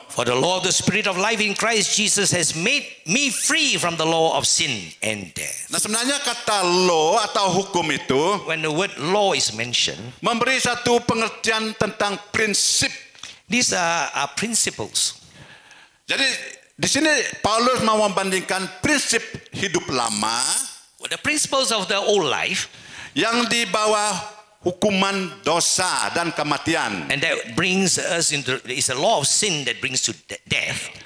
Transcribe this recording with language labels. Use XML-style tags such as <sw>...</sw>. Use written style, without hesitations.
<en>For the law of the Spirit of life in Christ Jesus has made me free from the law of sin and death.</en> <id>Nah, sebenarnya kata law atau hukum itu,</id> <en>when the word law is mentioned,</en> <id>memberi satu pengertian tentang prinsip.</id> <en>These are principles.</en> <id>Jadi di sini Paulus mau membandingkan prinsip hidup lama,</id> <en>well, the principles of the old life,</en> <id>yang di bawah hukuman dosa dan kematian.</id> <en>And that brings us into, it's a law of sin that brings to death.</en>